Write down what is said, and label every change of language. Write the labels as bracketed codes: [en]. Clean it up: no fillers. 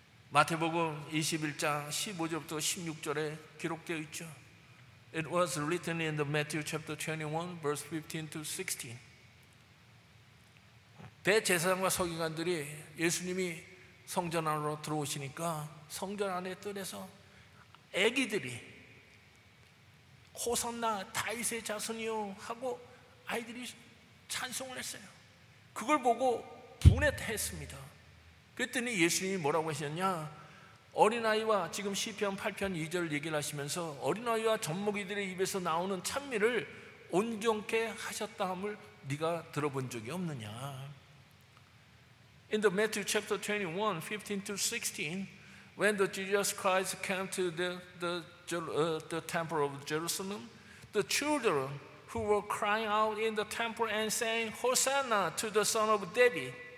[ko] 마태복음 21장 15절부터 16절에 기록되어 있죠. [en] It was written in the Matthew chapter 21 verse 15 to 16. [ko] 대제사장과 서기관들이 예수님이 성전 안으로 들어오시니까 성전 안에 뜰에서 아기들이 호산나 다윗의 자손이요 하고 아이들이 찬송을 했어요. 그걸 보고 분했습니다. 그랬더니 예수님이 뭐라고 하셨냐, 어린아이와 지금 시편 8편 2절 얘기를 하시면서 어린아이와 젖먹이들의 입에서 나오는 찬미를 온전케 하셨다함을 네가 들어본 적이 없느냐. [en] In the Matthew chapter 21, 15 to 16, when the Jesus Christ came to the temple of Jerusalem, the children who were crying out in the temple and saying, Hosanna to the son of David.